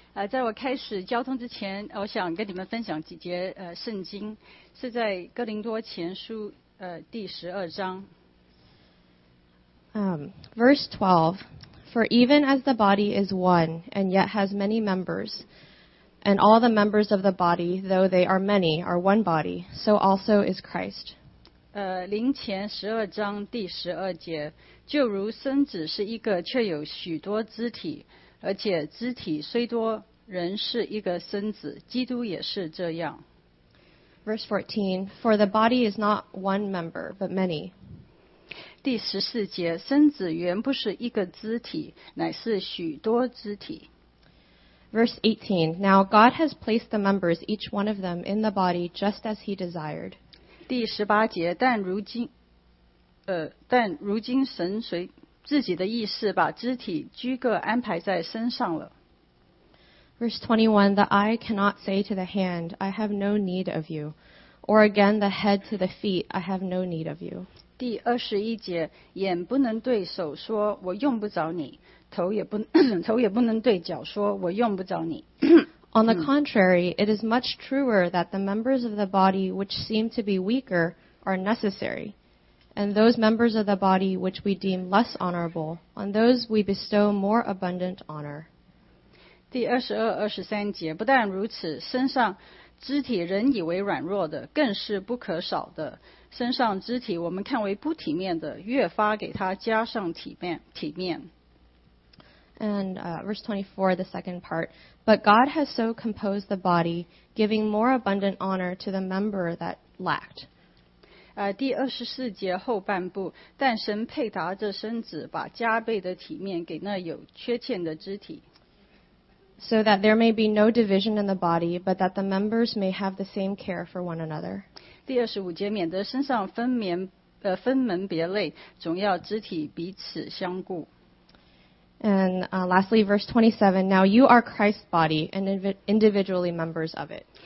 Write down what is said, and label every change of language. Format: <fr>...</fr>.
<zh>在我开始交通之前，我想跟你们分享几节圣经，是在哥林多前书第十二章。</zh> <en>Verse 12, for even as the body is one and yet has many members, and all the members of the body, though they are many, are one body, so also is Christ.</en> <zh>林前十二章第十二节，就如身子是一个，却有许多肢体，而且肢体虽多，仍是一个身子。基督也是这样。</zh> <en>Verse 14, for the body is not one member, but many.</en> <zh>第十四节，身子原不是一个肢体，乃是许多肢体。</zh> <en>Verse 18, now God has placed the members, each one of them, in the body just as he desired.</en> <zh>第十八节，但如今神随自己的意思把肢体居各安排在身上了。</zh> <en>Verse 21, the eye cannot say to the hand, I have no need of you. Or again, the head to the feet, I have no need of you.</en> <zh>第二十一节，眼不能对手说我用不着你，头也不能对脚说我用不着你。</zh> <en>On the contrary, it is much truer that the members of the body which seem to be weaker are necessary, and those members of the body which we deem less honorable, on those we bestow more abundant honor.</en> <zh>第二十二、二十三节，不但如此，身上肢体人以为软弱的，更是不可少的。身上肢体我们看为不体面的，越发给它加上体面。</zh> <en>And verse 24, the second part. But God has so composed the body, giving more abundant honor to the member that lacked.</en> <zh>第二十四节后半部，但神配搭这身子，把加倍的体面给那有缺欠的肢体。</zh> <en>So that there may be no division in the body, but that the members may have the same care for one another.</en> <zh>第二十五节，免得身上分门别类，总要肢体彼此相顾。</zh> <en>And lastly, verse 27, now you are Christ's body and individually members of it.</en>